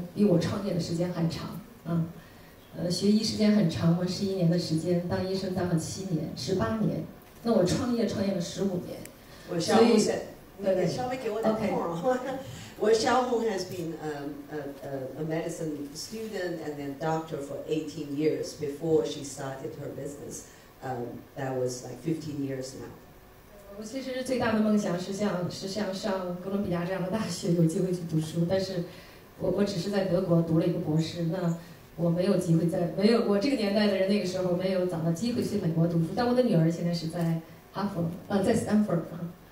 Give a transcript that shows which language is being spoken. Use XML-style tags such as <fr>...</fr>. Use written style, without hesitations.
<zh>我刚才来的时候跟几个妹妹一见面，我觉得他们那个年龄，我刚刚开始创业，所以我说，我真的是觉得杨澜真的很相信我，把我扯到这个论坛上，还是个英语场子，没关系，他们也会继续长老。对，所以说我当医生和这个学习医学的路程比我创业的时间还长。学医时间很长，我11年的时间，当医生当了7年，18年。那我创业创业了15年。我肖红，</zh> <en>我 has been a medicine student and then doctor for 18 years before she started her business. That was like 15 years now.</en> <zh>我其实最大的梦想是像上哥伦比亚这样的大学，有机会去读书。但是我只是在德国读了一个博士。那 我没有机会在，没有我这个年代的人，那个时候没有找到机会去美国读书。但我的女儿现在是在哈佛，在 Stanford 啊。</zh>